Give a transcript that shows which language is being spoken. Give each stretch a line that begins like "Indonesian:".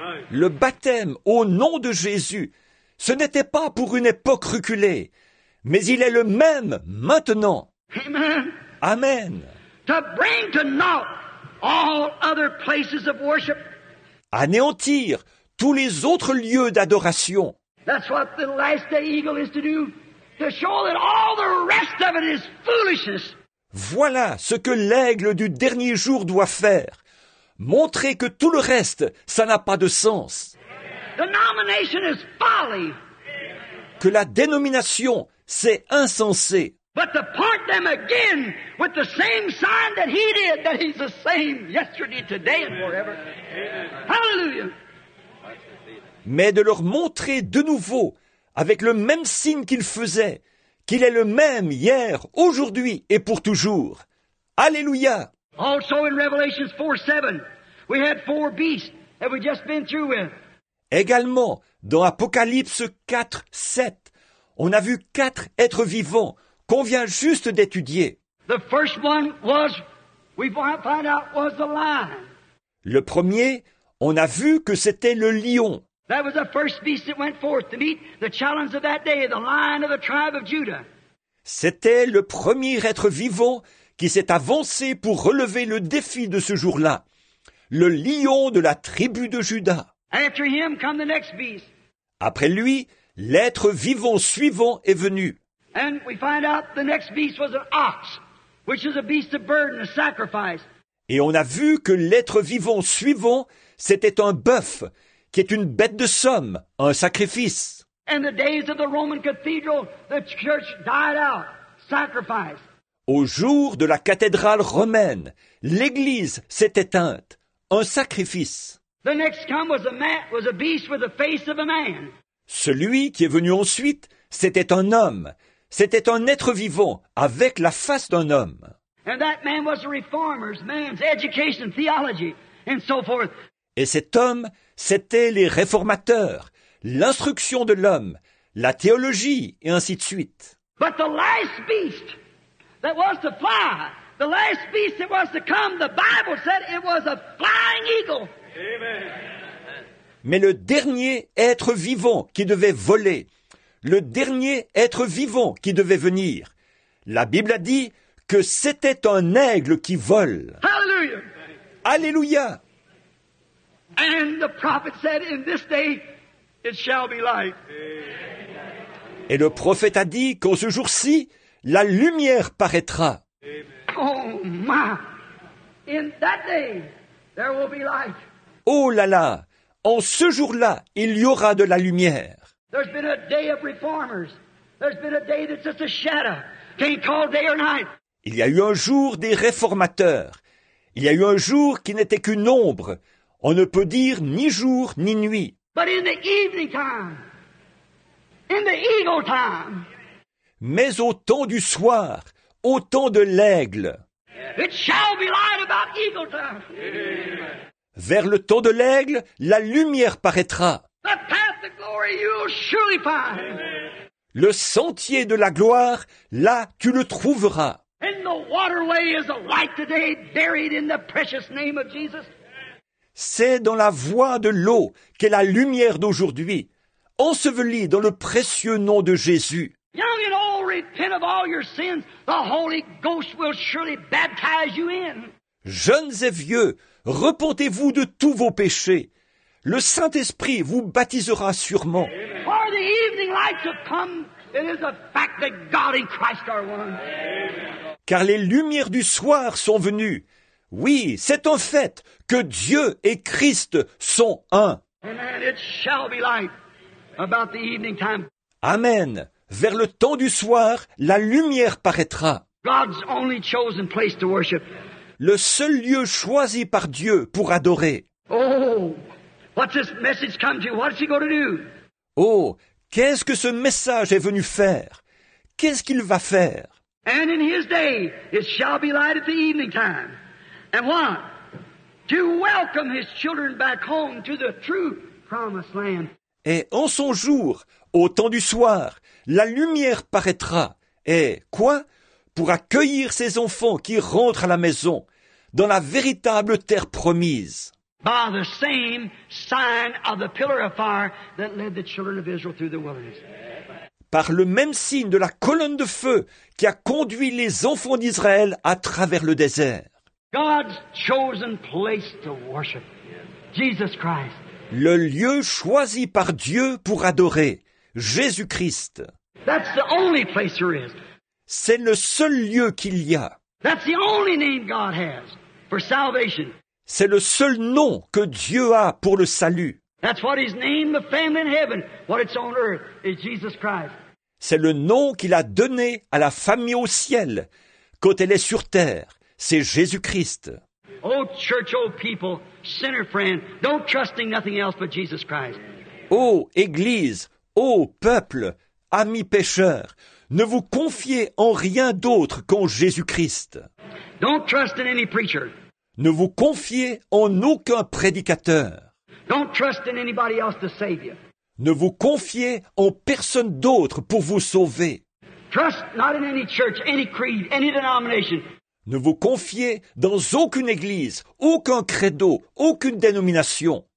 French: Le baptême au nom de Jésus, ce n'était pas pour une époque reculée, mais il est le même maintenant. Amen. Amen.
English: To bring to naught all other places of worship.
French: Anéantir tous les autres lieux d'adoration.
English: That's what the last day eagle is to do. To show that all the rest of it is foolishness.
French: Voilà ce que l'aigle du dernier jour doit faire. Montrer que tout le reste, ça n'a pas de sens.
English: The nomination is folly.
French: Que la dénomination, c'est insensé.
English: But to part them again with the same sign that he did, that he's the same yesterday, today, and forever. Hallelujah.
French: Mais de leur montrer de nouveau avec le même signe qu'il faisait, qu'il est le même hier, aujourd'hui et pour toujours. Alléluia.
English: Also in Revelation 4:7, we had four beasts that we just been through with.
French: Également, dans Apocalypse 4:7, on a vu quatre êtres vivants qu'on vient juste d'étudier.
English: The first one was, we found out, was the lion.
French: Le premier, on a vu que c'était le lion.
English: That was the first beast that went forth to meet the challenge of that day, the lion of the tribe of Judah.
French: C'était le premier être vivant qui s'est avancé pour relever le défi de ce jour-là, le lion de la tribu de Juda.
English: After him come the next beast.
French: Après lui, l'être vivant suivant est venu.
English: And we find out the next beast was an ox, which is a beast of burden, a sacrifice.
French: Et on a vu que l'être vivant suivant, c'était un bœuf, qui est une bête de somme, un sacrifice.
English: In the days of the Roman cathedral, the church died out. Sacrifice.
French: Au jour de la cathédrale romaine, l'église s'est éteinte, un sacrifice.
English: The next come was a man, was a beast with the face of a man.
French: Celui qui est venu ensuite, c'était un homme, c'était un être vivant avec la face d'un homme.
English: And that man was a reformer's man's education, theology, and so forth.
French: Et cet homme, c'était les réformateurs, l'instruction de l'homme, la théologie, et ainsi de suite.
English: But the last beast that was to fly, the last beast that was to come, the Bible said it was a flying eagle. Amen.
French: Mais le dernier être vivant qui devait voler, le dernier être vivant qui devait venir. La Bible a dit que c'était un aigle qui vole. Hallelujah. Alléluia.
English: And the prophet said, in this day it shall be light.
French: Et le prophète a dit qu'en ce jour-ci, la lumière paraîtra.
English: Oh my! In that day, there will be light.
French: Oh là là! En ce jour-là, il y aura de la lumière.
English: There's been a day of reformers. There's been a day that's just a shadow. Can't call day or night.
French: Il y a eu un jour des réformateurs. Il y a eu un jour qui n'était qu'une ombre. On ne peut dire ni jour ni nuit.
English: But in the evening time. In the eagle time.
French: Mais au temps du soir, au temps de l'aigle.
English: It shall be light about eagle time. Amen.
French: Vers le temps de l'aigle, la lumière paraîtra.
English: The path of glory you'll surely find. Amen.
French: Le sentier de la gloire, là tu le trouveras.
English: And the waterway is a light today buried in the precious name of Jesus.
French: C'est dans la voie de l'eau qu'est la lumière d'aujourd'hui, ensevelie dans le précieux nom de Jésus.
English: Young and old, repent of all your sins, the Holy Ghost will surely baptize you in.
French: Jeunes et vieux, repentez-vous de tous vos péchés. Le Saint-Esprit vous baptisera sûrement.
English: For the evening lights have come, it is a fact that God and Christ are one.
French: Car les lumières du soir sont venues. Oui, c'est un fait que Dieu et Christ sont un. Amen.
English: It shall be light about the evening time. Amen.
French: Vers le temps du soir, la lumière paraîtra.
English: God's only chosen place to worship.
French: Le seul lieu choisi par Dieu pour adorer.
English: Oh, what's this message come to? What's he going to do?
French: Oh, qu'est-ce que ce message est venu faire? Qu'est-ce qu'il va faire?
English: And in his day, it shall be light at the evening time. And what? To welcome his children back home to the true promised land.
French: Et en son jour, au temps du soir, la lumière paraîtra. Et quoi? Pour accueillir ses enfants qui rentrent à la maison, dans la véritable terre promise.
English: By the same sign of the pillar of fire that led the children of Israel through the wilderness.
French: Par le même signe de la colonne de feu qui a conduit les enfants d'Israël à travers le désert.
English: God's chosen place to worship, Jesus Christ.
French: Le lieu choisi par Dieu pour adorer, Jésus-Christ.
English: That's the only place there is.
French: C'est le seul lieu qu'il y a.
English: That's the only name God has for salvation.
French: C'est le seul nom que Dieu a pour le salut.
English: That's what he's named the family in heaven. What it's on earth is Jesus Christ.
French: C'est le nom qu'il a donné à la famille au ciel quand elle est sur terre. C'est Jésus-Christ.
English: Oh, church, oh, people, sinner friend, don't trust in nothing else but Jesus Christ.
French: Oh, église, oh, peuple, ami pécheur, ne vous confiez en rien d'autre qu'en Jésus-Christ.
English: Don't trust in any preacher.
French: Ne vous confiez en aucun prédicateur.
English: Don't trust in anybody else to save you.
French: Ne vous confiez en personne d'autre pour vous sauver.
English: Trust not in any church, any creed, any denomination.
French: Ne vous confiez dans aucune église, aucun credo, aucune dénomination.